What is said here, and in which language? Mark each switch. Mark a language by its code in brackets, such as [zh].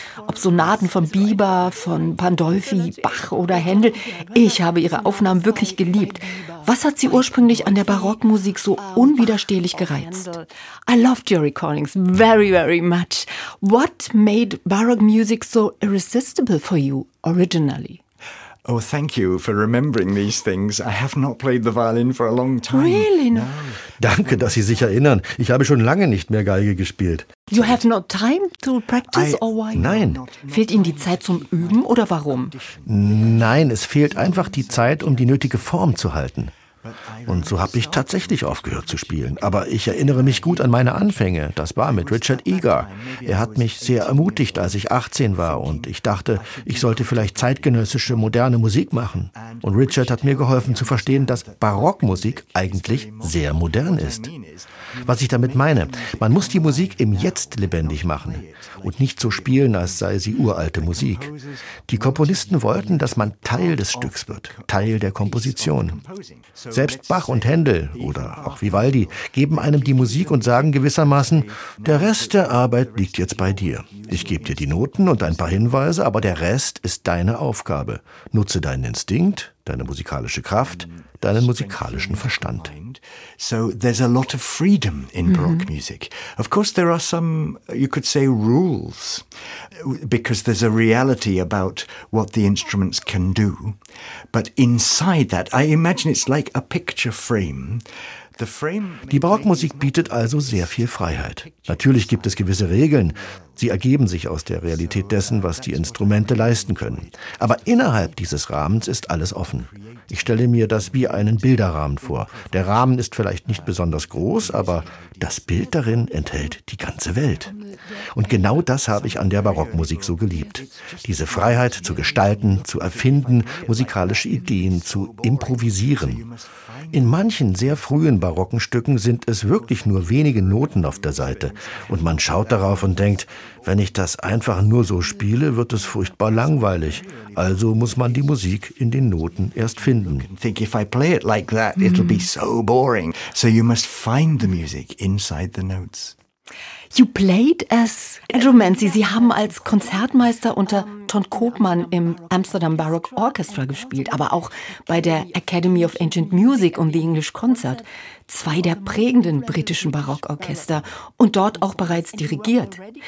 [de] Ob Sonaten von Bieber, von Pandolfi, Bach oder Händel, ich habe Ihre Aufnahmen wirklich geliebt. Was hat Sie ursprünglich an der Barockmusik so unwiderstehlich gereizt? [en] I loved your recordings very, very much. What made Baroque music so irresistible for you originally? Oh, thank you for remembering these things. I have not played the violin for a long time. Really? No. [de] Danke, dass Sie sich erinnern. Ich habe schon lange nicht mehr Geige gespielt. [en] You have no time to practice or why? [de] Nein. Fehlt Ihnen die Zeit zum Üben oder warum? Nein, es fehlt einfach die Zeit, um die nötige Form zu halten. Und so habe ich tatsächlich aufgehört zu spielen. Aber ich erinnere mich gut an meine Anfänge. Das war mit Richard Eager. Er hat mich sehr ermutigt, als ich 18 war. Und ich dachte, ich sollte vielleicht zeitgenössische, moderne Musik machen. Und Richard hat mir geholfen zu verstehen, dass Barockmusik eigentlich sehr modern ist. Was ich damit meine, man muss die Musik im Jetzt lebendig machen und nicht so spielen, als sei sie uralte Musik. Die Komponisten wollten, dass man Teil des Stücks wird, Teil der Komposition. Selbst Bach und Händel oder auch Vivaldi geben einem die Musik und sagen gewissermaßen, der Rest der Arbeit liegt jetzt bei dir. Ich gebe dir die Noten und ein paar Hinweise, aber der Rest ist deine Aufgabe. Nutze deinen Instinkt, deine musikalische Kraft, deinen musikalischen Verstand. [en] So there's a lot of freedom in Baroque music. Of course there are some, you could say, rules, because there's a reality about what the instruments can do. But inside that, I imagine it's like a picture frame. [de] Die Barockmusik bietet also sehr viel Freiheit. Natürlich gibt es gewisse Regeln. Sie ergeben sich aus der Realität dessen, was die Instrumente leisten können. Aber innerhalb dieses Rahmens ist alles offen. Ich stelle mir das wie einen Bilderrahmen vor. Der Rahmen ist vielleicht nicht besonders groß, aber das Bild darin enthält die ganze Welt. Und genau das habe ich an der Barockmusik so geliebt. Diese Freiheit zu gestalten, zu erfinden, musikalische Ideen zu improvisieren. In manchen sehr frühen barocken Stücken sind es wirklich nur wenige Noten auf der Seite. Und man schaut darauf und denkt, wenn ich das einfach nur so spiele, wird es furchtbar langweilig. Also muss man die Musik in den Noten erst finden. [en] If I play it like that, it'll be so boring. So you must find the music inside the notes. You played as Andrew Manzi. [de] Sie haben als Konzertmeister unter Ton Koopman im Amsterdam Baroque Orchestra gespielt, aber auch bei der Academy of Ancient Music und the English Concert, zwei der prägenden britischen Barockorchester, und dort auch bereits dirigiert.